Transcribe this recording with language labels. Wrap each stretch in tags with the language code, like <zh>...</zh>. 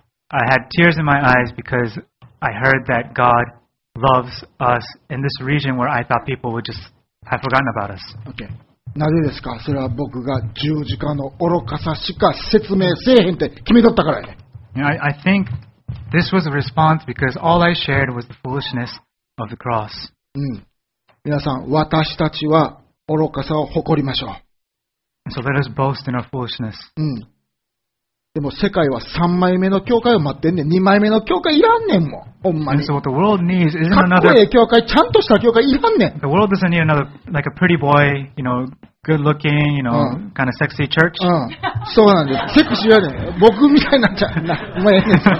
<en>I had tears in my eyes because I heard that God loves us in this region where I thought people would just. I've forgotten about us.</en> <ja>Okay. なぜですか？それは僕が十字架の愚かさしか説明せえへんって決めとったからね。</ja> <en>I think this was a response because all I shared was the foolishness of the cross.</en> <ja>皆さん、私たちは愚かさを誇りましょう。</ja> <en>So let us boast in our foolishness.</en> <ja>でも世界は3枚目の教会を待ってんねん。2枚目の教会いらんねんもん。ほんまに。</ja> <en>So what the world needs isn't another...</en> <ja>かっこいい教会、ちゃんとした教会いらんねん。</ja> <en>The world doesn't need another, like a pretty boy, you know, good looking, you know, kind of sexy church.</en> <ja>そうなんです。セクシーやねん。僕みたいになっちゃう。な、お前やねん。</ja>